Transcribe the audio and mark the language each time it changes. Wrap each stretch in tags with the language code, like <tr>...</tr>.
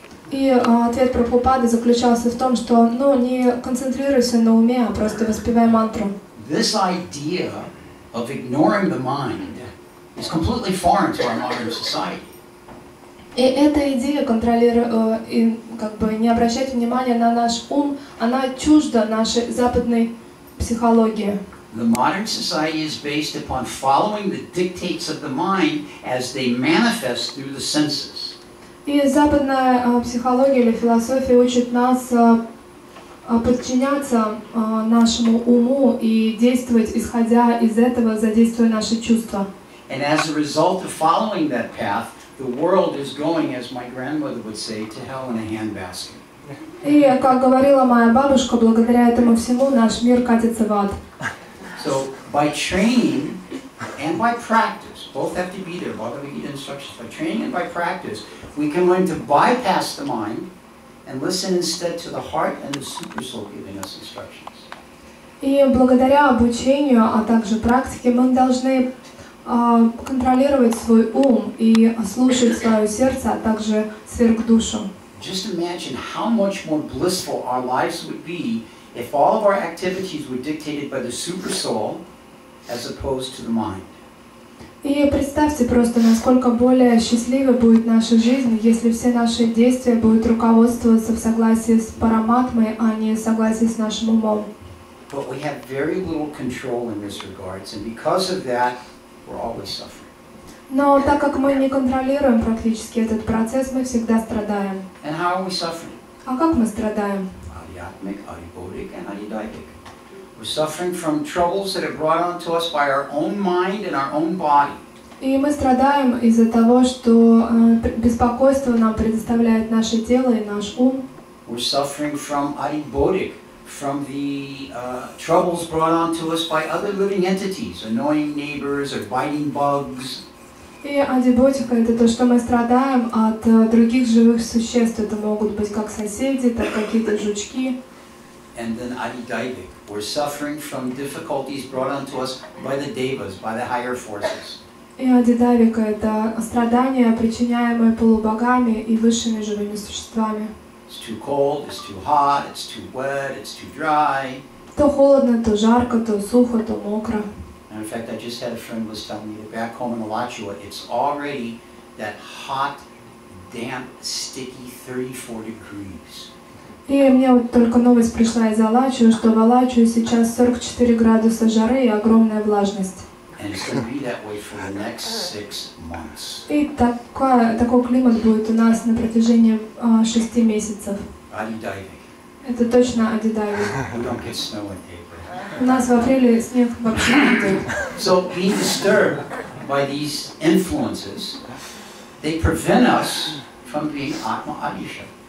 <ru>И ответ Прабхупады заключался в том, что «Ну, не концентрируйся на уме, а просто воспевай мантру».</ru> <en>This idea of ignoring the mind is completely foreign to our modern society.</en> <ru>И эта идея не обращать внимания на наш ум, она чужда нашей западной психологии.</ru> <en>The modern society is based upon following the dictates of the mind as they manifest through the senses.</en> <uk>І западна психологія чи філософія учить нас подчиняться нашому уму і діяти, ісходя із цього, задіяти наші чувства.</uk> <en>And as a result of following that path, the world is going, as my grandmother would say, to hell in a handbasket.</en> <uk>І, як говорила моя бабушка, благодаря цьому всьому наш мир катиться в ад.</uk> <en>So, by training and by practice, both have to be there, Bhagavad Gita instructions, by training and by practice, we can learn to bypass the mind and listen instead to the heart and the super soul giving us instructions.</en> <uk>І благодаря обученню, а також практиці, ми повинні контролювати свій ум і слухати своє серце, а також сверхдушу.</uk> <en>Just imagine how much more blissful our lives would be if all of our activities were dictated by the super soul as opposed to the mind.</en> <uk>І представте просто, наскільки більш щасливе буде наша життя, якщо всі наші дії будуть руководствуватися в согласі з параматмою, а не в согласі з нашим умом.</uk> <en>But we have very little control in this regards, and because of that, we're always suffering.</en> <ru>Но так как мы не контролируем практически этот процесс, мы всегда страдаем.</ru> <en>And how are we suffering?</en> <ru>А как мы страдаем?</ru> <en>Adiatmic, adibodhic, and adidaitic. We're suffering from troubles that are brought onto us by our own mind and our own body.</en> <ru>И мы страдаем из-за того, что беспокойство нам предоставляет наше тело и наш ум.</ru> <en>We're suffering from adibodhic, from the troubles brought onto us by other living entities, annoying neighbors or biting bugs.</en> <uk>І адіботика – це те, що ми страдаємо від інших живих существ. Це можуть бути як сусіди, так і якісь жучки.</uk> <en>And then adidaitic. We're suffering from difficulties brought onto us by the devas, by the higher forces.</en> <uk>І адідайвика – це страдання, причиняємо полубогами і вищими живими существами.</uk> <en>It's too cold, it's too hot, it's too wet, it's too dry.</en> <uk>То холодно, то жарко, то сухо, то мокро.</uk> <en>And in fact, I just had a friend was telling me that back home in Alachua, it's already that hot, damp, sticky 34 degrees.</en> <uk>І мені тільки новість прийшла із Алачуа, що в Алачуа сейчас 44 градуса жари і огромная влажність.</uk> <en>And it's going to be that way for the next 6 months.</en> <ru>І такой климат будет у нас на протяжении 6 месяцев. Адидайвик. Это точно адидайвик.</ru> <en>We don't get snow in April.</en> <uk>У нас в апрелі сніг вообще не йде.</uk> <en>So being disturbed by these influences, they prevent us from being Atma Adisha.</en>